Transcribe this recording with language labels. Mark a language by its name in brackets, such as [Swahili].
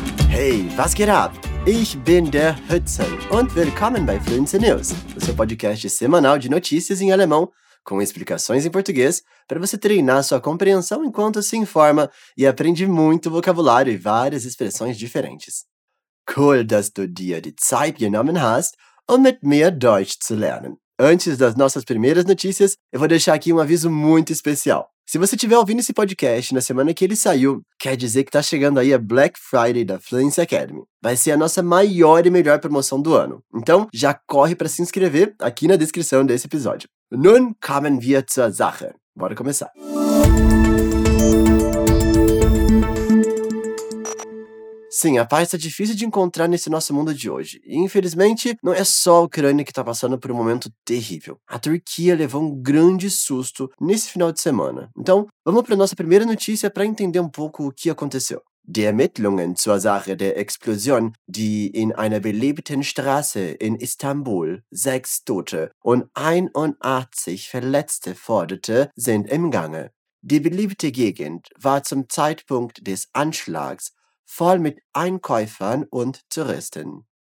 [German] Hey, was geht ab? Ich bin der Hudson und willkommen bei Fluency News, [Portuguese] o seu podcast semanal de notícias em alemão com explicações em português para você treinar sua compreensão enquanto se informa e aprende muito vocabulário e várias expressões diferentes. [German] Cool, dass du dir die Zeit genommen hast, um mit mir Deutsch zu lernen. [Portuguese] Antes das nossas primeiras notícias, eu vou deixar aqui um aviso muito especial. Se você estiver ouvindo esse podcast na semana que ele saiu, quer dizer que está chegando aí a Black Friday da Fluency Academy. Vai ser a nossa maior e melhor promoção do ano. Então, já corre para se inscrever aqui na descrição desse episódio. [German] Nun kommen wir zur Sache. [Portuguese] Bora começar. Sim, a paz está difícil de encontrar nesse nosso mundo de hoje. E, infelizmente, não é só a Ucrânia que está passando por um momento terrível. A Turquia levou um grande susto nesse final de semana. Então, vamos para a nossa primeira notícia para entender um pouco o que aconteceu. [German] Die Ermittlungen zur Sache der Explosion, die in einer belebten Straße in Istanbul 6 Tote und 81 Verletzte forderte, sind im Gange. Die beliebte Gegend war zum Zeitpunkt des Anschlags voll mit Einkäufern und Touristen.